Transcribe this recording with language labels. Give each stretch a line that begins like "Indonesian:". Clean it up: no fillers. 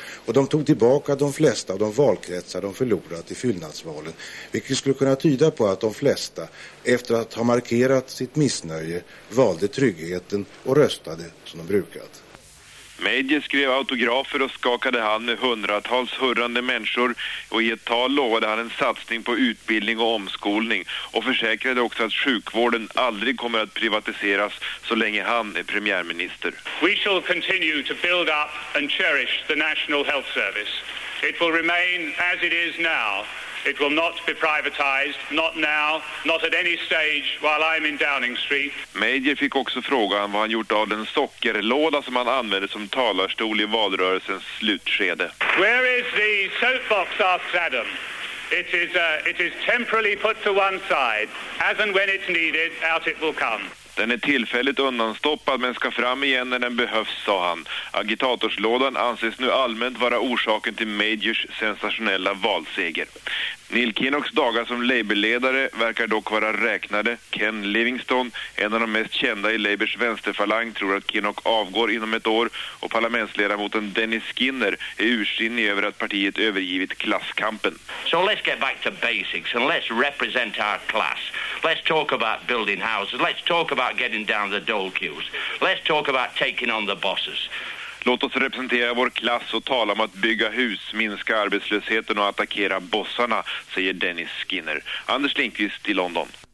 Swedish: Och de tog tillbaka de flesta av de valkretsar de förlorat i fyllnadsvalen, vilket skulle kunna tyda på att de flesta, efter att ha markerat sitt missnöje, valde tryggheten och röstade som de brukat. Major skrev autografer och skakade hand med hundratals hurrande människor, och i ett tal lovade han en satsning på utbildning och omskolning, och försäkrade också att sjukvården aldrig kommer att privatiseras så länge han är premiärminister.
English: We shall continue to build up and cherish the National Health Service. It will remain as it is now. It will not be privatized, not now, not at any stage while I'm in Downing Street.
Swedish: Major fick också frågan vad han gjort av den sockerlåda som han använde som talarstol i valrörelsens slutskede.
English: Where is the soapbox, asked Adam? It is temporarily put to one side. As and when it's needed, out it will come.
Swedish: Den är tillfälligt undanstoppad men ska fram igen när den behövs, sa han. Agitatorslådan anses nu allmänt vara orsaken till Majors sensationella valseger. Neil Kinnocks dagar som Labour-ledare verkar dock vara räknade. Ken Livingstone, en av de mest kända i Labours vänsterfalang, tror att Kinnock avgår inom ett år. Och parlamentsledamoten Dennis Skinner är ursinnig över att partiet övergivit klasskampen.
English: So let's get back to basics and let's represent our class. Let's talk about building houses. Let's talk about getting down the dole queues. Let's talk about taking on the bosses.
Swedish: Låt oss representera vår klass och tala om att bygga hus, minska arbetslösheten och attackera bossarna, säger Dennis Skinner. Anders Lindqvist i London.